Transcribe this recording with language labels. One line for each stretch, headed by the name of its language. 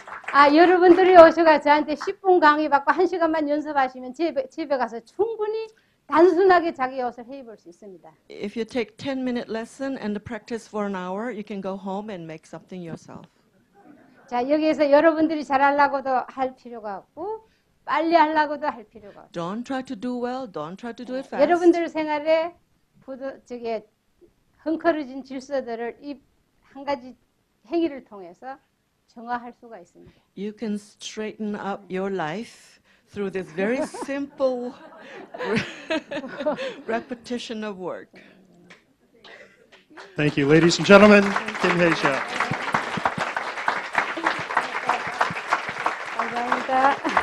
Korean: 아, 여러분들이 오셔가 저한테 10분 강의 받고 1시간만 연습하시면 집에 가서 충분히 단순하게 자기 옷을 해입을 수 있습니다.
English: If you take 10-minute lesson and practice for an hour, you can go home and make something yourself.
Korean: 자, 여기에서 여러분들이 잘하려고도 할 필요가 없고 빨리 하려고도 할 필요가 없고.
English: Don't try to do well. Don't try to do it fast.
Korean: 여러분들 생활에 저게 헝클어진 질서들을 이 한 가지 행위를 통해서 정화할 수가 있습니다.
English: You can straighten up your life through this very simple repetition of work. Thank you, ladies and gentlemen, Kim Hae-sha.
Korean: 감사합니다.